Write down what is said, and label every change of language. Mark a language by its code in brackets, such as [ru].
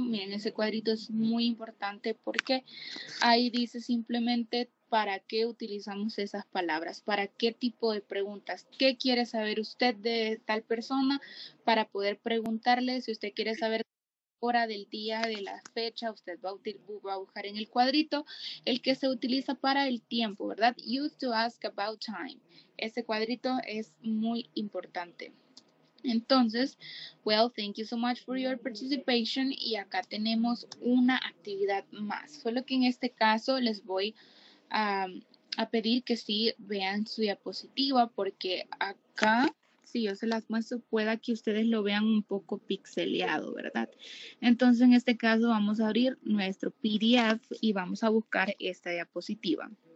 [es] Miren, ese cuadrito es muy importante porque ahí dice simplemente para qué utilizamos esas palabras, para qué tipo de preguntas. ¿Qué quiere saber usted de tal persona para poder preguntarle? Si usted quiere saber hora del día, de la fecha, usted va a buscar en el cuadrito el que se utiliza para el tiempo, ¿verdad? [en] Used to ask about time. [es] Ese cuadrito es muy importante. Entonces, [en] well, thank you so much for your participation. [es] Y acá tenemos una actividad más. Solo que en este caso les voy a pedir que sí vean su diapositiva porque acá, si yo se las muestro, pueda que ustedes lo vean un poco pixeleado, ¿verdad? Entonces, en este caso, vamos a abrir nuestro PDF y vamos a buscar esta diapositiva.